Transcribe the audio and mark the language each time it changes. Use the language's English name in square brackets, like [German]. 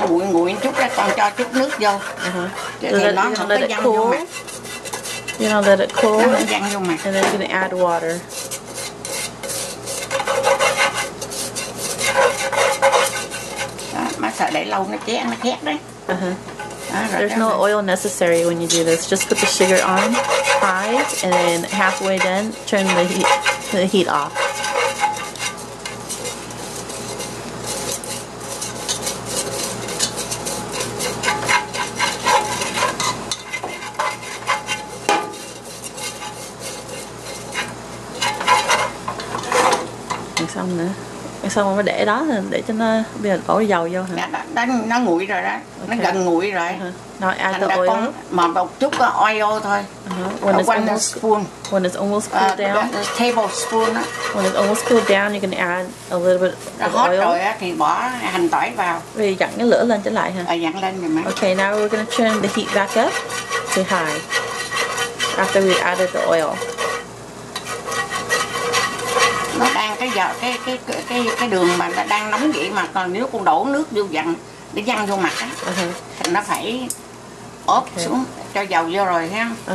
[Vietnamese] Nó nguội nguội chút đó, con cho chút nước vô. Uh-huh. Thì nó không có văng vô mặt. [English] You know, let it cool. [Vietnamese] Nó không văng vô mặt. [English] And then you're gonna add water. [Vietnamese] Đó, má sợ để lâu nó chén, nó khét đấy. Uh-huh. [English] There's no oil necessary when you do this. Just put the sugar on high, and then halfway done, turn the heat off. [Vietnamese] Xong nữa. Xong rồi mới để đó để cho nó bây giờ đổ dầu vô hả? Nó nguội rồi đó. Okay. Nó gần nguội rồi. [English] Nó add the oil. [Vietnamese] Mà một chút oil thôi. [English] When it's almost when it's almost cooled down. Tablespoon. When it's almost cooled down, you can add a little bit of oil. [Vietnamese] Rồi thì bỏ hành tỏi vào. Rồi dặn cái lửa lên trở lại hả? Dặn lên rồi mà. [English] Okay, now we're gonna turn the heat back up to high after we added the oil. [Vietnamese] Nó đang cái giờ cái đường mà nó đang nóng vậy mà còn nếu con đổ nước vô dặn để dặn vô mặt á thì nó phải ốp xuống cho dầu vô rồi ha.